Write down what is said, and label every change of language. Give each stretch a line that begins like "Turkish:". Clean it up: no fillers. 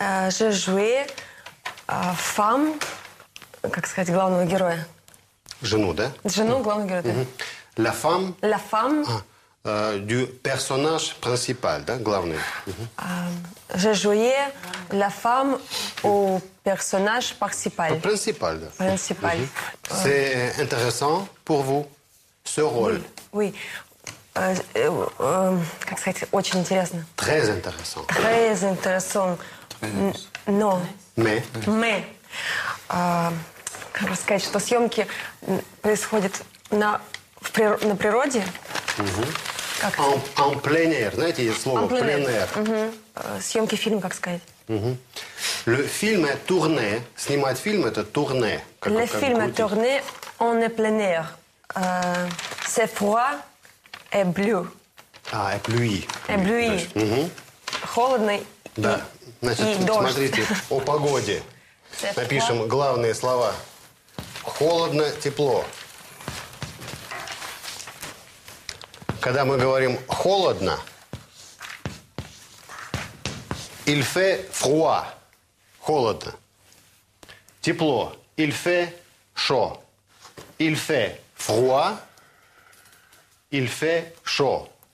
French: J'ai joué femme,
Russian: как сказать, главного героя. Жену, да? Жену главного героя.
French: La femme. La femme. Du personnage principal,
Russian: да, главный.
French: J'ai joué la femme au personnage principal. Principal, да. Principal. C'est intéressant pour vous ce rôle. Oui.
Russian: Как сказать, очень интересно.
French: Très intéressant. Très intéressant. Но. Mais. Mais.
Russian: Как сказать, что съемки происходят на природе.
French: En plein air,
Russian: знаете, есть слово
French: plein air.
Russian: Съемки фильма, как сказать.
French: Le film est tourné.
Russian: Снимать фильм – это tourné.
French: Le film est tourné en plein air. C'est froid et bleu. А, et pluie. Et pluie.
Russian: Холодно и дождь. Да, значит, смотрите, о погоде. Напишем главные слова. Холодно, тепло. Когда мы говорим холодно,
French: il fait froid,
Russian: холодно.
French: Тепло, il fait chaud. Il fait froid, il fait chaud.